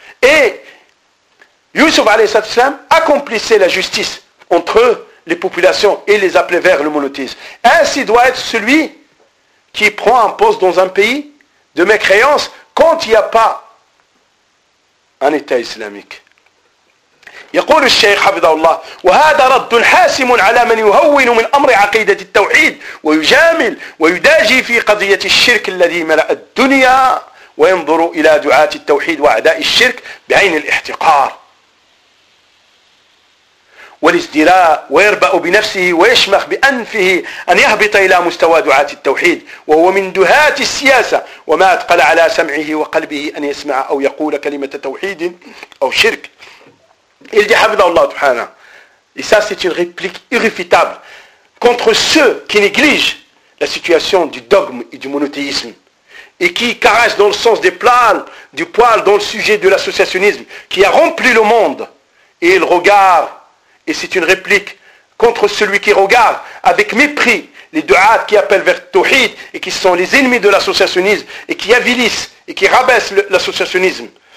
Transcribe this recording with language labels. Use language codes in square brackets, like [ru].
[fr] Et Youssouf alayhi salatu salam accomplissait la justice entre eux, les populations, et les appeler vers le monothéisme. Ainsi doit être celui qui prend un poste dans un pays de mécréance quand il n'y a pas un État islamique. [ar] يقول الشيخ حفظه الله وهذا رد حاسم على من يهون من أمر عقيدة التوحيد ويجامل ويداجي في قضية الشرك الذي ملأ الدنيا وينظر إلى دعاة التوحيد وأعداء الشرك بعين الاحتقار والازدراء ويربأ بنفسه ويشمخ بأنفه أن يهبط إلى مستوى دعاة التوحيد وهو من دهاة السياسة وما أثقل على سمعه وقلبه أن يسمع أو يقول كلمة توحيد أو شرك. [fr] Il dit Habidallah Tuhana. Et ça, c'est une réplique irréfutable contre ceux qui négligent la situation du dogme et du monothéisme, et qui caressent dans le sens des plans du poil dans le sujet de l'associationnisme qui a rempli le monde. Et il regarde, et c'est une réplique contre celui qui regarde avec mépris les du'ats qui appellent vers Tawhid et qui sont les ennemis de l'associationnisme et qui avilissent et qui rabaissent l'associationnisme.